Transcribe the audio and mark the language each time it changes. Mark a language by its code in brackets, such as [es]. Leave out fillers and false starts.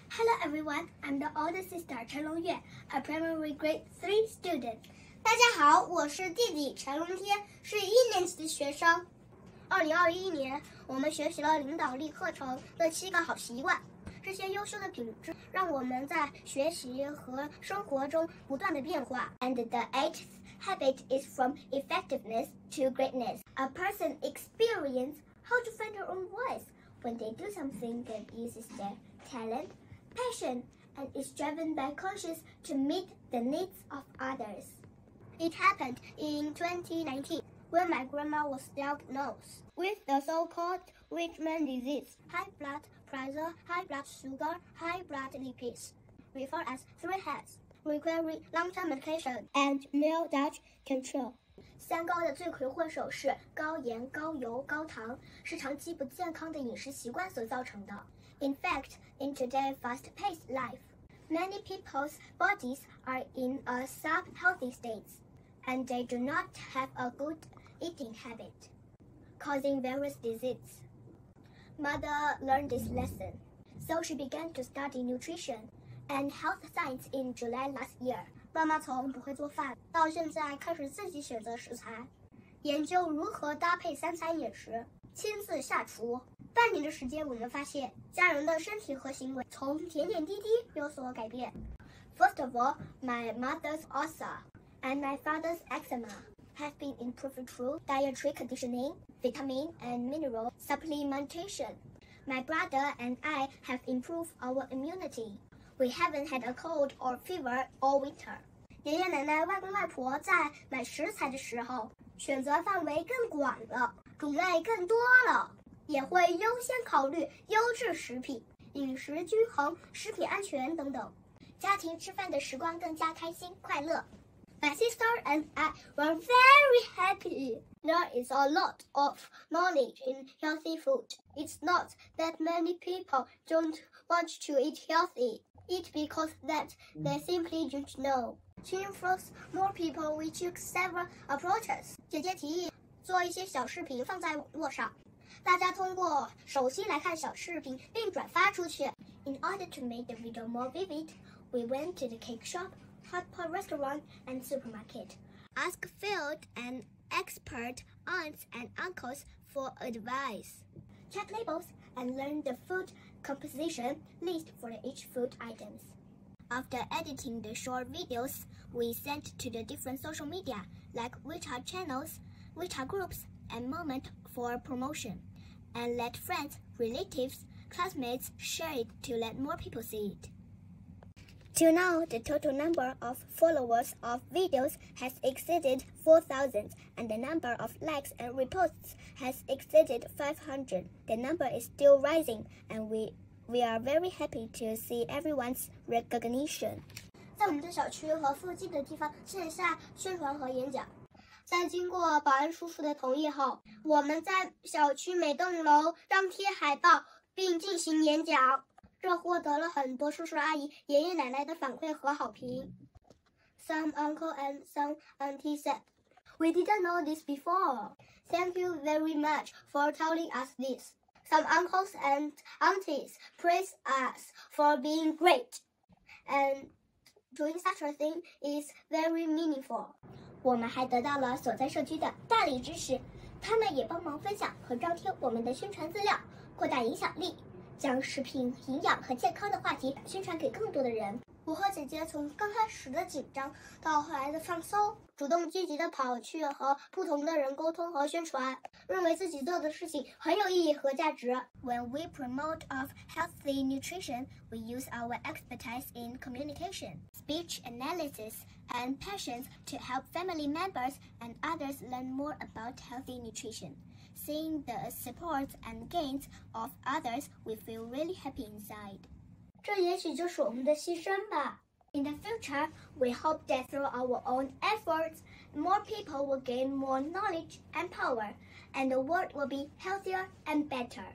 [en] Hello everyone, I'm the older sister Chen Longyue, a primary grade 3 student. [zh] 大家好，我是弟弟陈龙天，是一年级的学生。 2021年，我们学习了领导力课程的七个好习惯，这些优秀的品质让我们在学习和生活中不断的变化。 [en] And the 8th habit is from effectiveness to greatness. A person experiences how to find their own voice when they do something that uses their talent, passion, and is driven by conscience to meet the needs of others. It happened in 2019, when my grandma was diagnosed with the so-called Richmond disease, high blood pressure, high blood sugar, high blood lipids, referred as three heads, requiring long-term medication and meal diet control. [zh] 三高的罪魁祸首是高盐、高油、高糖，是长期不健康的饮食习惯所造成的。 [en] In fact, in today's fast-paced life,Many people's bodies are in a sub-healthy state, and they do not have a good eating habit, causing various diseases. Mother learned this lesson, so she began to study nutrition and health science in July last year. [zh] 妈妈从不会做饭到现在开始自己选择食材，研究如何搭配三餐饮食，亲自下厨。半年的时间，我们发现家人的身体和行为从点点滴滴有所改变。 [en] First of all, my mother's ulcer and my father's eczema have been improved through dietary conditioning, vitamin and mineral supplementation. My brother and I have improved our immunity. We haven't had a cold or fever all winter. [zh] 爷爷奶奶、外公外婆在买食材的时候，选择范围更广了，种类更多了。也会优先考虑优质食品、饮食均衡、食品安全等等。家庭吃饭的时光更加开心快乐。 [en] My sister and I were very happy. There is a lot of knowledge in healthy food. It's not that many people don't want to eat healthy. Eat because that they simply don't know. To influence more people, we took several approaches. [zh] 姐姐提议做一些小视频放在网络上。大家通过手机来看小视频并转发出去。 [en] In order to make the video more vivid, we went to the cake shop, hot pot restaurant, and supermarket. Ask field and expert aunts and uncles for advice. Check labels and learn the food composition list for each food items. After editing the short videos, we sent to the different social media, like WeChat channels, WeChat groups,and moment for promotion, and let friends, relatives, classmates share it to let more people see it. Till now, the total number of followers of videos has exceeded 4,000, and the number of likes and reposts has exceeded 500. The number is still rising, and we are very happy to see everyone's recognition. [zh] 在我们的小区和附近的地方线下宣传和演讲。在经过保安叔叔的同意后，我们在小区每栋楼张贴海报并进行演讲，这获得了很多叔叔阿姨、爷爷奶奶的反馈和好评。 [en] Some uncle and some auntie said, "We didn't know this before. Thank you very much for telling us this." Some uncles and aunties praise us for being great, and doing such a thing is very meaningful. [zh] 我们还得到了所在社区的大力支持，他们也帮忙分享和张贴我们的宣传资料，扩大影响力，将食品营养和健康的话题宣传给更多的人。我和姐姐从刚开始的紧张到后来的放松，主动积极地跑去和不同的人沟通和宣传，认为自己做的事情很有意义和价值。 [en] When we promote of healthy nutrition, we use our expertise in communication, speech analysis, and passions to help family members and others learn more about healthy nutrition. Seeing the supports and gains of others, we feel really happy inside. [zh] 这也许就是我们的牺牲吧。 [en] In the future, we hope that through our own efforts, more people will gain more knowledge and power, and the world will be healthier and better.